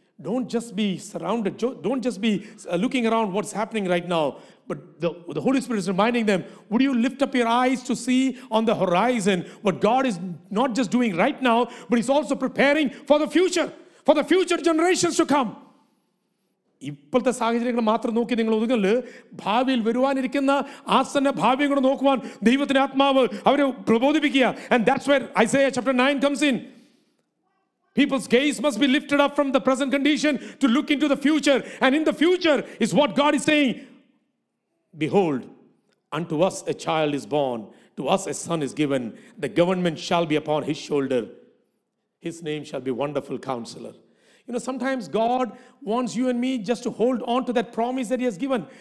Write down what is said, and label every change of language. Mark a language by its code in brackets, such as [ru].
[en] Don't just be surrounded. Don't just be looking around what's happening right now. But the Holy Spirit is reminding them, would you lift up your eyes to see on the horizon what God is not just doing right now, but he's also preparing for the future generations to come. [ml] ഇപ്പോഴത്തെ സാഹചര്യങ്ങൾ മാത്രം നോക്കി നിങ്ങൾ ഒതുങ്ങല്. ഭാവിയിൽ വരുവാനിരിക്കുന്ന ആസന്ന ഭാവിയും കൂടെ നോക്കുവാൻ ദൈവത്തിന്റെ ആത്മാവ് അവരെ പ്രബോധിപ്പിക്കുക. [en] And that's where Isaiah chapter 9 comes in. People's gaze must be lifted up from the present condition to look into the future. And in the future is what God is saying. Behold, unto us a child is born, to us a son is given. The government shall be upon his shoulder. His name shall be Wonderful Counselor. You know, sometimes God wants you and me just to hold on to that promise that he has given.